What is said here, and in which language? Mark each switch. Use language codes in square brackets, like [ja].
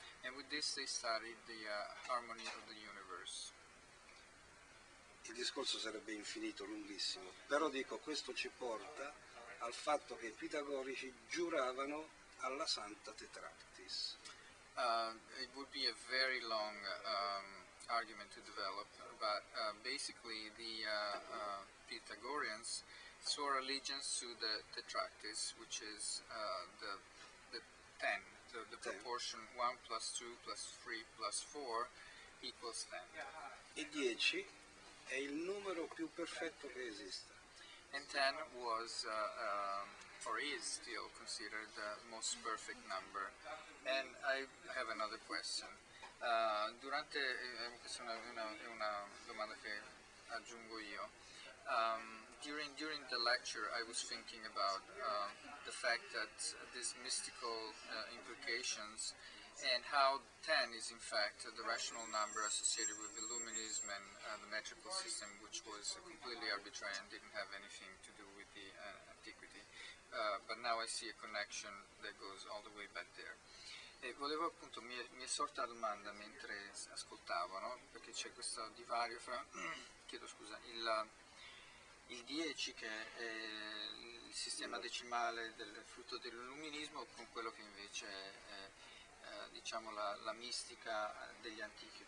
[en] And with this they studied the harmony of the universe. [it] Il discorso sarebbe infinito, lunghissimo, però dico, questo ci porta al fatto che i pitagorici giuravano alla santa Tetractis. [en] It would be a very long argument to develop, but basically the Pythagoreans swore allegiance to the Tetractis, which is the ten. Proportion 1 plus 2 plus 3 plus 4 equals 10. [it] E 10 è il numero più perfetto che esista. [en] And 10 was, or is still considered the most perfect number. And I have another question. [it] Durante, una domanda che aggiungo io. [en] During the lecture, I was thinking about the fact that these mystical implications and how 10 is in fact the rational number associated with Illuminism and the metrical system, which was completely arbitrary and didn't have anything to do with the antiquity. But now I see a connection that goes all the way back there. [it] E volevo appunto, mi è sorta la domanda mentre ascoltavo, no? Perché c'è questo divario fra, chiedo scusa, il 10 che è il sistema decimale del frutto dell'illuminismo con quello che invece è diciamo la mistica degli antichi.